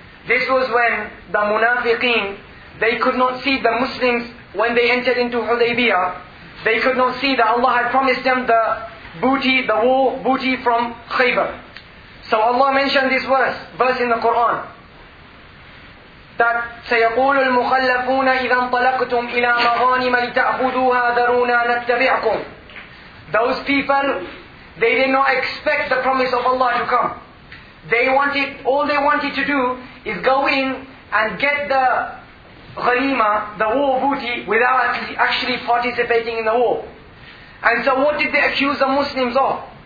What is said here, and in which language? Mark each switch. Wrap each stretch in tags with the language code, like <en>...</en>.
<en>This was when the Munafiqeen, they could not see the Muslims when they entered into Hudaybiyah. They could not see that Allah had promised them the booty, the war booty from Khaybar. So Allah mentioned this verse in the Quran.</en> <ar>سيقول المخلفون إذا انطلقتم إلى مغانم لتأخذوها ذرونا نتبعكم.</ar> <en>Those people, they did not expect the promise of Allah to come. All they wanted to do is go in and get the ghanima, the war booty, without actually participating in the war. And so what did they accuse the Muslims of?</en>